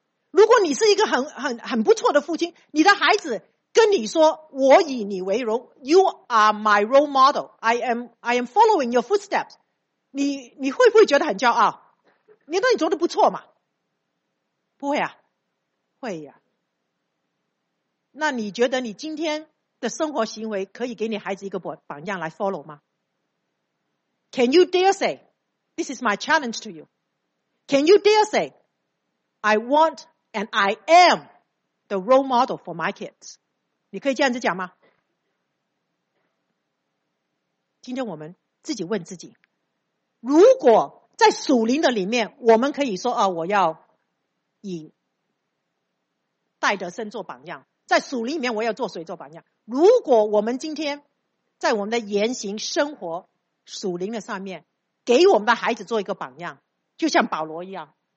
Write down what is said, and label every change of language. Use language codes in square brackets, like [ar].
[zh] 如果你是一个很不错的父亲，你的孩子跟你说，我以你为荣， [en] You are my role model， I am following your footsteps， [zh] 你会不会觉得很骄傲？你说你做的不错嘛？不会啊。会啊。那你觉得你今天的生活行为可以给你孩子一个榜样来 follow 吗？ [en] Can you dare say, this is my challenge to you. Can you dare say, I want and I am the role model for my kids? [zh] 你可以这样子讲吗？今天我们自己问自己，如果在属灵的里面，我们可以说，啊，我要以戴德森做榜样，在属灵里面我要做谁做榜样？如果我们今天在我们的言行生活属灵的上面给我们的孩子做一个榜样，就像保罗一样，